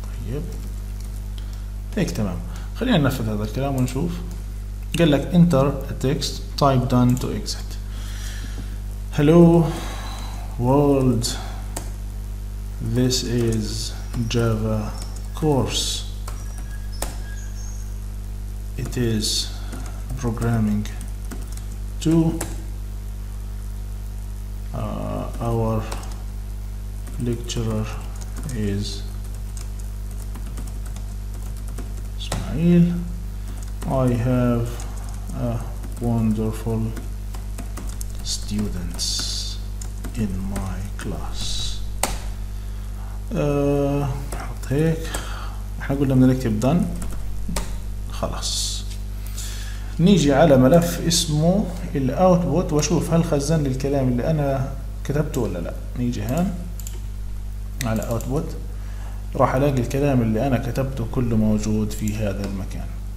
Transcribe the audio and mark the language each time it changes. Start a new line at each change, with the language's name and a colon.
Arabic: طيب هيك تمام. خلينا ننفذ هذا الكلام ونشوف. قال لك
English: Enter التكست type done to exit hello world this is java course it is programming 2 our lecturer is Ismail I have a wonderful students in my class.
Arabic: نحط هيك. احنا قلنا بدنا نكتب done. خلاص. نيجي على ملف اسمه الاوتبوت واشوف هل خزن لي الكلام اللي انا كتبته ولا لا. نيجي هان على اوتبوت راح الاقي الكلام اللي انا كتبته كله موجود في هذا المكان.